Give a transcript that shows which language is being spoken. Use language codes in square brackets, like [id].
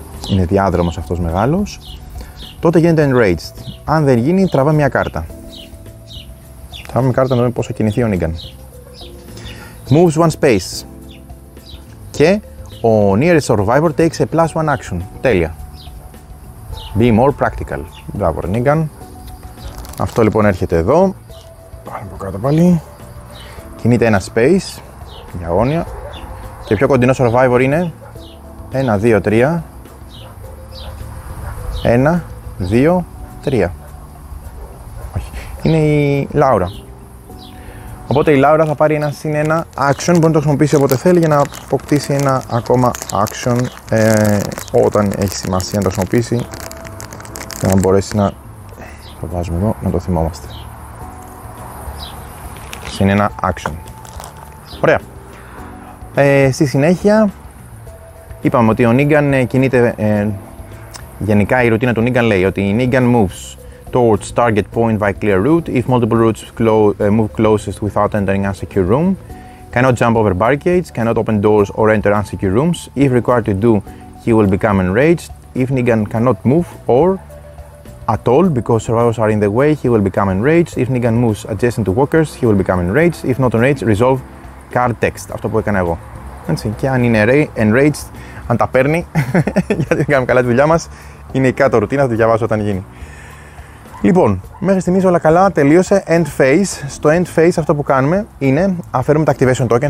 [el] Είναι διάδρομος αυτός μεγάλος. Τότε γίνεται enraged. Αν δεν γίνει, τραβάμε μια κάρτα. Τραβάμε μια κάρτα να δούμε πώς θα κινηθεί ο Negan. [en] Moves one space. [el] Και ο [en] nearest survivor takes a plus one action. [el] Τέλεια. [en] Be more practical. [el] Μπράβο, Νίγκαν. Αυτό λοιπόν έρχεται εδώ. Πάμε από κάτω πάλι. Κινείται ένα space. Για αγώνια. Και πιο κοντινό survivor είναι. 1, 2, 3. 1, 2, 3. Όχι. Είναι η Λάουρα. Οπότε η Λάουρα θα πάρει ένα συν ένα action. Μπορεί να το χρησιμοποιήσει όποτε θέλει για να αποκτήσει ένα ακόμα action όταν έχει σημασία να το χρησιμοποιήσει. Για να μπορέσει να Το βάζουμε εδώ να το θυμόμαστε. Είναι ένα action. Ωραία. Στη συνέχεια, είπαμε ότι ο Negan κινείται... γενικά η ρουτίνα του Negan λέει ότι η [en] Negan moves towards target point by clear route if multiple routes move closest without entering a secure room. Cannot jump over barricades, cannot open doors or enter unsecure rooms. If required to do, he will become enraged. If Negan cannot move or at all because survivors are in the way, he will become enraged. If Negan moves adjacent to walkers, he will become enraged. If not enraged, resolve card text. [el] Αυτό που έκανα εγώ. Έτσι, και αν είναι enraged, αν τα παίρνει, γιατί δεν κάνουμε καλά τη δουλειά μας, είναι η κάτω ρουτίνα, θα τη διαβάσω όταν γίνει. Λοιπόν, μέχρι στιγμής όλα καλά, τελείωσε end phase. Στο end phase αυτό που κάνουμε είναι αφαιρούμε τα activation token.